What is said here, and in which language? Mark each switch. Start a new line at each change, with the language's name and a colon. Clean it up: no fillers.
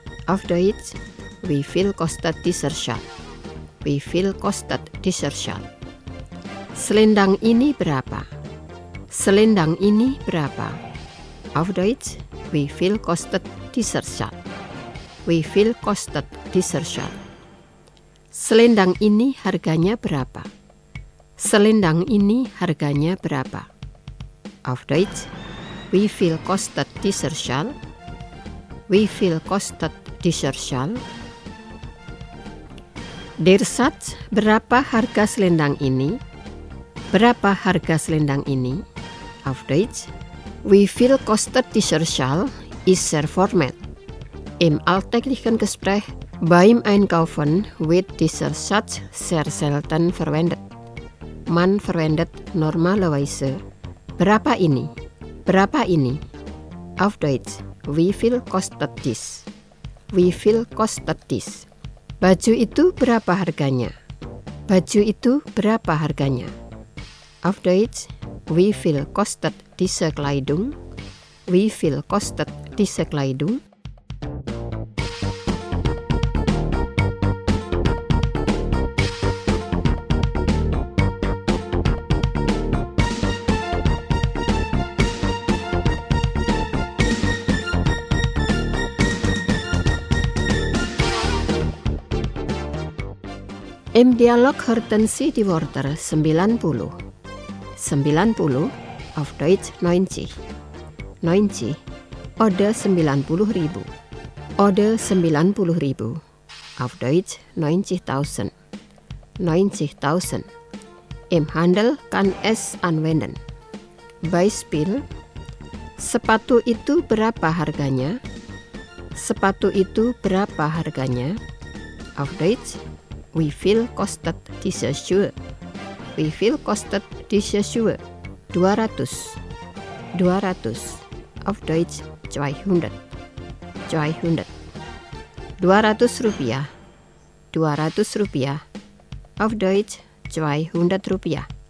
German: Auf Deutsch, wie viel kostet dieser Schal? Wie viel kostet dieser Schal?
Indonesian: Selendang ini berapa? Selendang ini berapa?
German: Auf Deutsch, wie viel kostet dieser Schal? Wie viel kostet dieser Schal?
Indonesian: Selendang ini harganya berapa? Selendang ini harganya berapa?
German: Auf Deutsch, wie viel kostet dieser Schal? Wie viel kostet dieser Schal? Der Satz,
Indonesian: berapa harga selendang ini? Berapa harga selendang ini? Average, we feel costed t-shirt shawl is their format.
German: Im alltäglichen Gespräch beim Einkaufen wird dieser Satz sehr selten verwendet. Man verwendet normalerweise
Indonesian: berapa ini? Berapa ini?
German: Auf Deutsch, wie viel kostet dies? Wie viel kostet dies?
Indonesian: Baju itu berapa harganya? Baju itu berapa harganya?
German: Auf Deutsch, wie viel kostet diese Kleidung? Wie viel kostet diese Kleidung? Im Dialog hörten Sie die Wörter 90, 90 auf Deutsch 90, 90 oder 90.000 oder 90.000 auf Deutsch 90.000, 90.000. Im Handel kann es anwenden. Beispiel,
Indonesian: sepatu itu berapa harganya? Sepatu itu berapa harganya?
German: Auf Deutsch. Wie viel kostet diese Schuhe? Wie viel kostet diese Schuhe? 200. 200. Auf Deutsch 200. 200. 200 Rupiah. 200 Rupiah. Auf Deutsch 200 Rupiah.